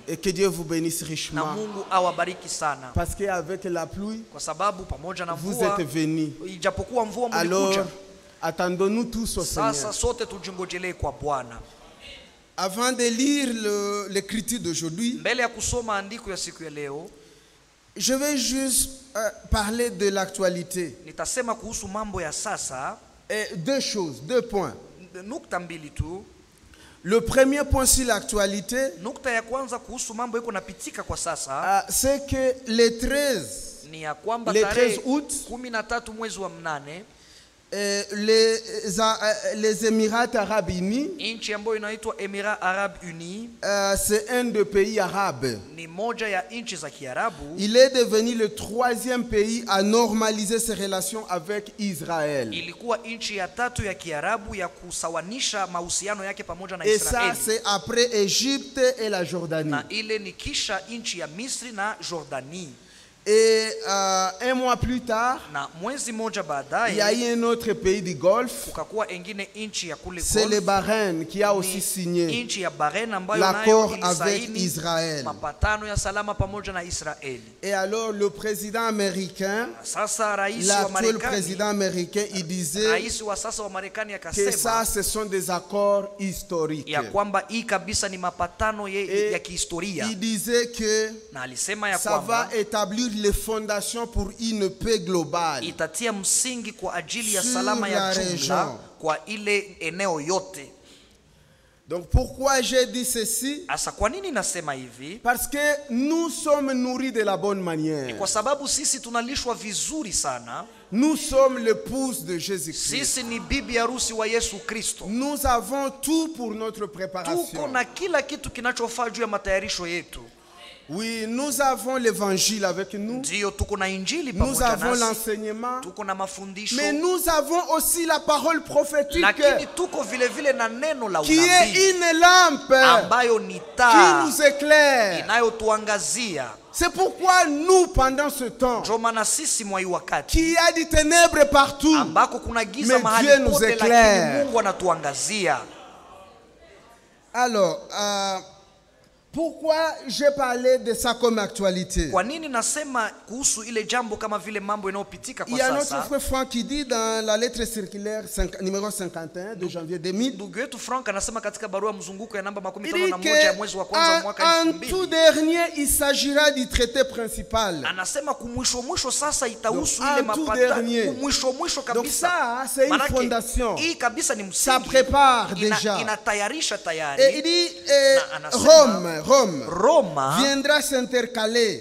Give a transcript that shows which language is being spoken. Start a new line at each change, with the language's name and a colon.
French: Et que Dieu vous bénisse richement.
Swahili: Na Mungu awabariki sana.
French: Parce que avec la pluie.
Swahili: Kwa sababu pamoja na mvua.
French: Vous êtes venus.
Swahili: Ijapokuwa mvua mlikuja.
French: Alors, attendons-nous tous au Seigneur.
Swahili: Sasa sote tujingojele kwa Bwana.
French: Avant de lire l'écriture d'aujourd'hui.
Swahili: Mbele ya kusoma andiko ya siku ya leo.
French: Je vais juste parler de l'actualité.
Swahili: Nitasema kuhusu mambo ya sasa.
French: Et deux choses, deux points.
Swahili: Nukta mbili tu.
French: Le premier point sur l'actualité.
Swahili: Nukta ya kwanza kuhusu mambo yako napitika kwa sasa.
French: C'est que le 13.
Swahili: Ni ya kwamba
French: le 13 août.
Swahili: 13 mwezi wa mnane.
French: Les Émirats Arabes Unis.
Swahili: Inchi ambayo inaitwa Emirats Arabes Unis.
French: C'est un de pays arabes.
Swahili: Ni moja ya inchi za Kiarabu.
French: Il est devenu le troisième pays à normaliser ses relations avec Israël.
Swahili: Ilikuwa inchi ya tatu ya Kiarabu ya kusawanisha mahusiano yake pamoja na Israel.
French: Et ça c'est après Égypte et la Jordanie.
Swahili: Na ile ni kisha inchi ya Misri na Jordanie.
French: Et un mois plus tard,
Swahili: na, mwezi moja baadaye,
French: il y a eu un autre pays du Golfe.
Swahili: Kukakuwa engine inchi ya kule
French: c'est le Bahreïn qui a aussi signé
Swahili: inchi ya Bahreïn ambayo
French: l'accord
Swahili: nayo
French: avec Israël.
Swahili: Mapatano ya salama pamoja na Israël.
French: Et alors le président américain,
Swahili: sasa, raisi
French: l'actuel
Swahili: wa
French: président américain, il disait
Swahili: raisi wa sasa wa Marekani akasema,
French: que ça ce sont des accords historiques.
Swahili: Ya kwamba hii kabisa ni mapatano ya kihistoria.
French: Il disait que
Swahili: na, alisema ya
French: ça
Swahili: kwamba,
French: va établir les fondations pour une paix globale.
Swahili: Itatia msingi kwa ajili ya salama ya jumla kwa ile eneo yote.
French: Donc pourquoi j'ai dit ceci?
Swahili: Asa kwa nini nasema hivi?
French: Parce que nous sommes nourris de la bonne manière.
Swahili: Ni kwa sababu sisi tunalishwa vizuri sana.
French: Nous sommes l'épouse de Jésus-Christ.
Swahili: Sisi ni bibi harusi wa Yesu Kristo.
French: Nous avons tout pour notre préparation.
Swahili: Tuko na kila kitu kinachofaa juu ya matayarisho yetu.
French: Oui, nous avons l'évangile avec nous.
Swahili: Ndio tuko na injili pamoja nasi.
French: Nous avons l'enseignement.
Swahili: Tuko na mafundisho.
French: Mais nous avons aussi la parole prophétique.
Swahili: Lakini tuko vile vile na neno la unabii.
French: Qui est une lampe.
Swahili: Ambayo ni taa.
French: Qui nous éclaire.
Swahili: Inayotuangazia.
French: C'est pourquoi nous, pendant ce temps,
Swahili: jomanasisi mwa wakati,
French: qui a des ténèbres partout,
Swahili: ambako kuna giza mahali pote,
French: mais Dieu nous éclaire.
Swahili: Lakini Mungu anatuangazia.
French: Alors, pourquoi j'ai parlé de ça comme actualité?
Swahili: Kwa nini nasema kuhusu ile jambo kama vile mambo inayopitika kwa sasa?
French: Il y a notre frère Franck qui dit dans la lettre circulaire numéro 51 de janvier 2000.
Swahili: Ndugu yetu Franck anasema katika barua mzunguko ya namba 51 ya mwezi wa kwanza mwaka 2000.
French: En tout dernier il s'agira du traité principal.
Swahili: Anasema kumwisho mwisho sasa itahusu ile mapatano. Kumwisho mwisho kabisa.
French: Donc ça c'est une fondation.
Swahili: Hii kabisa ni msingi.
French: Ça prépare déjà.
Swahili: Inatayarisha tayari.
French: Et il dit Rome. Roma viendra s'intercaler.